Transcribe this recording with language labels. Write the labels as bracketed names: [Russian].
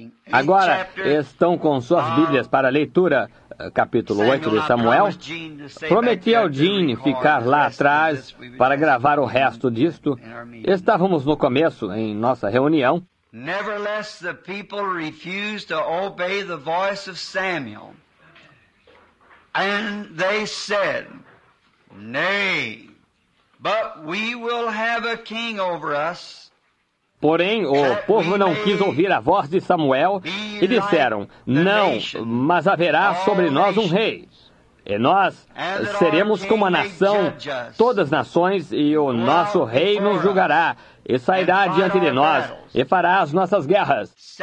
[Portuguese] Agora, estão com suas Bíblias para leitura, capítulo 8 de Samuel? Prometi ao Gene ficar lá atrás para gravar o resto disto. Estávamos no começo, em nossa reunião. [English] Nevertheless, the people refused to obey the voice of Samuel. And they said, nay, but we will have a king over us. [Portuguese] Porém, o povo não quis ouvir a voz de Samuel e disseram, não, mas haverá sobre nós um rei. E nós seremos como a nação, todas as nações, e o nosso rei nos julgará e sairá diante de nós e fará as nossas guerras.